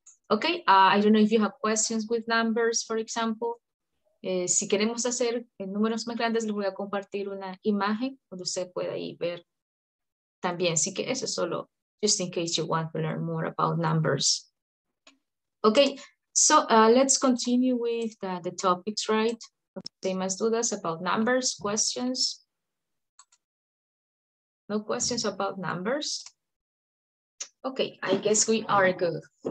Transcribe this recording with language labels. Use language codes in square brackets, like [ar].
[en] Okay, I don't know if you have questions with numbers, for example. [es] Si queremos hacer números más grandes, les voy a compartir una imagen donde usted pueda ahí ver también. Así que eso es solo, [en] just in case you want to learn more about numbers. Okay, so let's continue with the topics, right? [es] ¿Hay más dudas [en] about numbers, questions? No questions about numbers. Okay, I guess we are good.